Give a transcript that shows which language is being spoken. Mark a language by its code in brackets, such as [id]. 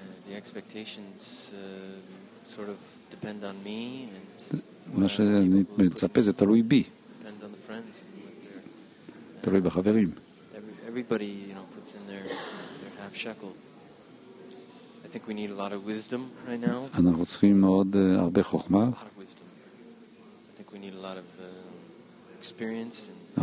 [en] The expectations sort of depend on me and [he] מה שאני מצפה זה תלוי בי, [en] depend on the friends and [he] תלוי בחברים. [en] Everybody, you know, puts in their half shekel. I think we need a lot of wisdom right now. [he] אנחנו צריכים עוד הרבה חוכמה. [en] I think we need a lot of experience and